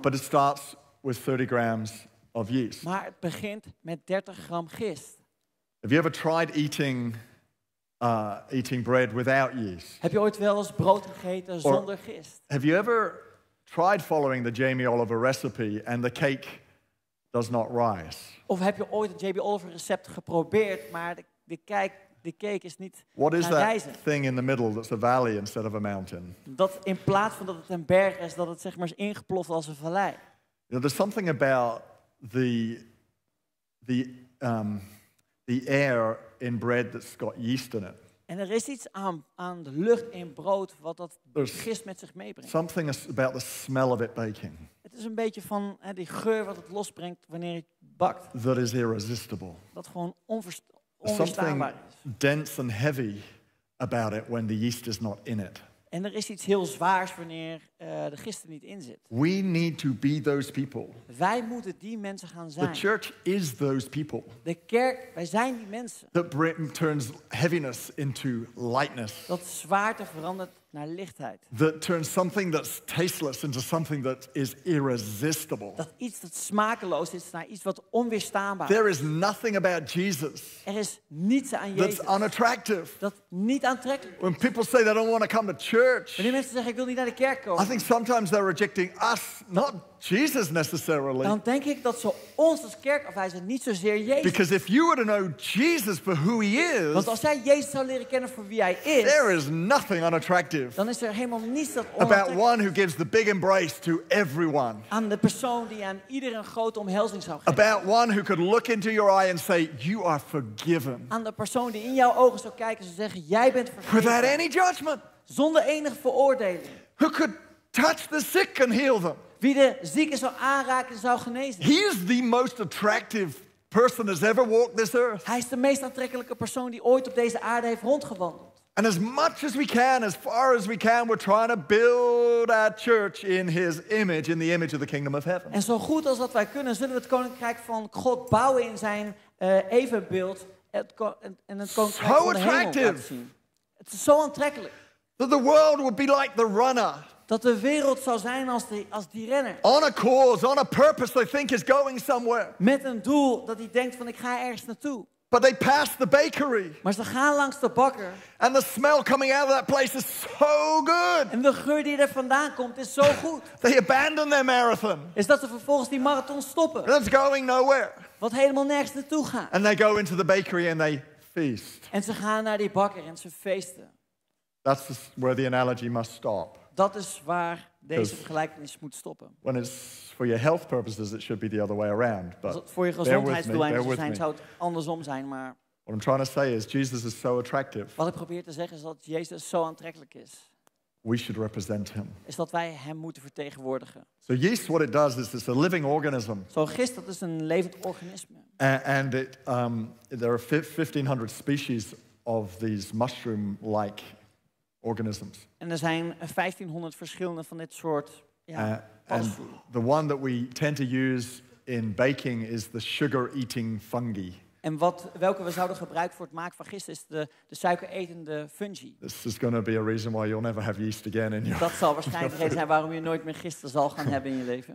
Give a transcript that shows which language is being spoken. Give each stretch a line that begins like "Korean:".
English: But it starts with 30 grams. Of yeast.
Dutch: Maar het begint met 30 gram gist.
English: Have you ever tried eating bread without yeast?
Dutch: Heb je ooit wel eens brood gegeten zonder gist?
English: Have you ever tried following the Jamie Oliver recipe and the cake does not rise?
Dutch: Of heb je ooit het Jamie Oliver recept geprobeerd, maar de cake is niet
English: What is
Dutch: gaan
English: that
Dutch: rijzen.
English: Thing in the middle that's a valley instead of a mountain?
Dutch: Dat in plaats van dat het een berg is, dat het zeg maar is ingeploft als een vallei.
English: You know, there's something about the air in bread that's got yeast in it.
Dutch: En er is iets aan de lucht in brood wat dat gist met zich meebrengt.
English: Something about the smell of it baking.
Dutch: Het is een beetje van die geur wat het losbrengt wanneer het bakt.
English: That is irresistible.
Dutch: Dat gewoon onweerstaanbaar is.
English: Something dense and heavy about it when the yeast is not in it.
Dutch: En er is iets heel zwaars wanneer de gist er niet in zit.
English: We need to be those people.
Dutch: Wij moeten die mensen gaan zijn.
English: The church is those people.
Dutch: De kerk, wij zijn die mensen.
English: That Britain turns heaviness into lightness.
Dutch: Dat zwaarte verandert naar lichtheid.
English: That turns something that's tasteless into something that is irresistible.
Dutch: Dat iets dat smakeloos is naar iets wat onweerstaanbaar.
English: There is nothing about Jesus.
Dutch: Er is niets aan Jezus.
English: That's unattractive.
Dutch: Dat niet aantrekkelijk.
English: When people say they don't want to come to church.
Dutch: Wanneer mensen zeggen ik wil niet naar de kerk komen.
English: I think sometimes they're rejecting us, not Jesus necessarily.
Dutch: Dan denk ik dat ze ons als kerk afwijzen, niet zozeer Jezus.
English: Because if you were to know Jesus for who he is.
Dutch: Want als jij Jezus zou leren kennen voor wie hij is.
English: There is nothing unattractive.
Dutch: Dan is er helemaal niets dat
English: about one who gives the big embrace to everyone.
Dutch: Aan de persoon die aan iedereen grote omhelzing zou geven.
English: About one who could look into your eye and say, you are forgiven.
Dutch: Aan de persoon die in jouw ogen zou kijken en zou zeggen, jij bent vergeven.
English: Without any judgment.
Dutch: Zonder enige veroordeling.
English: Who could touch the sick and heal them.
Dutch: Wie de zieken zou aanraken zou genezen.
English: He is the most attractive person that's ever walked this earth.
Dutch: Hij is de meest aantrekkelijke persoon die ooit op deze aarde heeft rondgewandeld.
English: And as much as we can, as far as we can, we're trying to build our church in his image, in the image of the kingdom of heaven.
Dutch: En zo goed als dat wij kunnen, zullen we het koninkrijk van God bouwen in zijn evenbeeld en het koninkrijk van de hemel laten zien. Het is zo aantrekkelijk.
English: That the world would be like the runner.
Dutch: Dat de wereld zou zijn als die renner.
English: On a cause, on a purpose they think is going somewhere.
Dutch: Met een doel dat hij denkt van ik ga ergens naartoe.
English: But they pass the bakery.
Dutch: Maar ze gaan langs de bakker.
English: And the smell coming out of that place is so good.
Dutch: En de geur die er vandaan komt is zo goed.
English: They abandon their marathon.
Dutch: Is dat ze vervolgens die marathon stoppen.
English: That's going nowhere.
Dutch: Wat helemaal nergens naartoe gaat.
English: And they go into the bakery and they feast.
Dutch: En ze gaan naar die bakker en ze feesten.
English: That's where the analogy must stop.
Dutch: Dat is waar deze gelijkenis moet stoppen.
English: When it's for your health purposes, it should be the other way around. But
Dutch: voor je gezondheidsdoeleinden zijn, zou het andersom zijn, maar.
English: What I'm trying to say is Jesus is so attractive.
Dutch: Wat ik probeer te zeggen is dat Jezus zo aantrekkelijk is.
English: We should represent him.
Dutch: Is dat wij hem moeten vertegenwoordigen.
English: So yeast, what it does is it's a living organism.
Dutch: Zo gist, dat is een levend organisme.
English: And it, there are 1500 species of these mushroom-like organisms.
Dutch: En er zijn 1500 verschillende van dit soort
English: And the one that we tend to use in baking is the sugar-eating fungi.
Dutch: En welke we zouden gebruiken voor het maken van gist is de suikeretende fungi.
English: This is going to be a reason why you'll never have yeast again in your.
Dutch: Dat zal waarschijnlijk de reden zijn waarom je nooit meer gist zal gaan hebben in je leven.